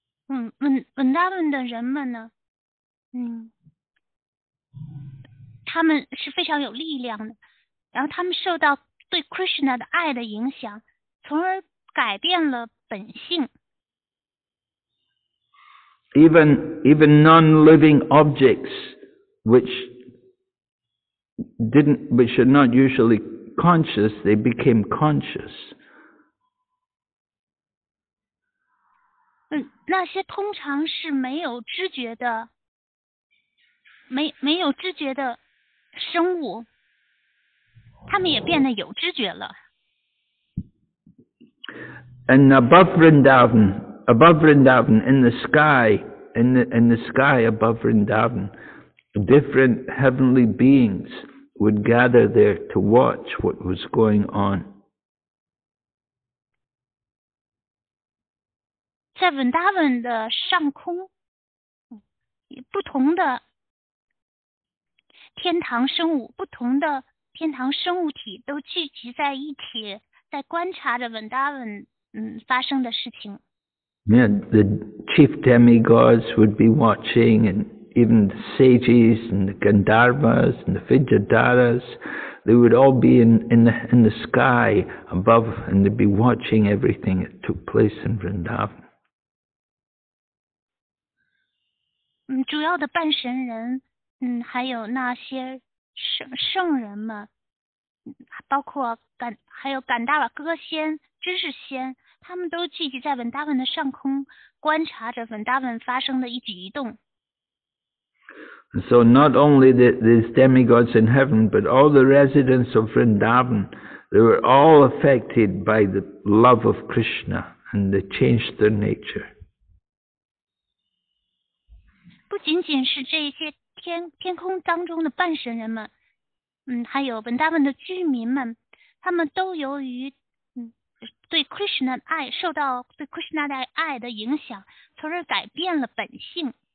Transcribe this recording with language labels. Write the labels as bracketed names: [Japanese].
[Chinese] Vrindavan 的人们呢，他们是非常有力量的，然后他们受到对 Krishna 的爱的影响，从而改变了本性。 [English] Even non-living objects, which are not usually conscious, they became conscious. [Chinese] 那些通常是没有知觉的，没有知觉的生物，他们也变得有知觉了。 [English] And above Vrindavan, in the sky above Vrindavan, different heavenly beings would gather there to watch what was going on. [Chinese] 在 Vrindavan 的上空，不同的天堂生物，不同的天堂生物体都聚集在一起，在观察着 Vrindavan。发生的事情。 [English] Yeah, the chief demigods would be watching, and even the sages and the Gandharvas and the Vidyadharas, they would all be in the sky above, and they'd be watching everything that took place in Vrindavan. [Chinese] 主要的半神人，还有那些圣人们，包括还有甘达瓦歌仙、知识仙。他们都聚集在文达文的上空，观察着文达文发生的一举一动。 [English] So not only these demigods in heaven, but all the residents of Vrindavan, they were all affected by the love of Krishna, and they changed their nature. [Chinese] 不仅仅是这些天空当中的半神人们，还有文达文的居民们，他们都由于对 Krishna 的爱，受到对 Krishna 的爱的影响，从而改变了本性。